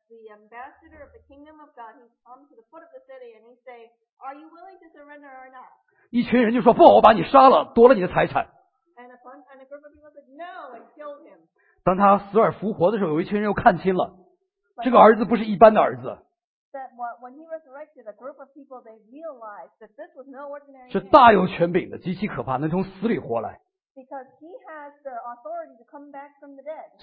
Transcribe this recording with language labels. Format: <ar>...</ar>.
<en>Ambassador of the kingdom of God, he comes to the foot of the city and he say, "Are you willing to surrender or not?"</en> <zh>一群人就说不，我把你杀了，夺了你的财产。</zh> <en>And a group of people said, "No," and killed him.</en> <zh>当他死而复活的时候，有一群人又看清了，这个儿子不是一般的儿子。</zh> <en>That when he resurrected, a group of people they realized that this was no ordinary.</en> <zh>是大有权柄的，极其可怕，能从死里活来。</zh> <en>Because he has the authority to come back from the dead.</en>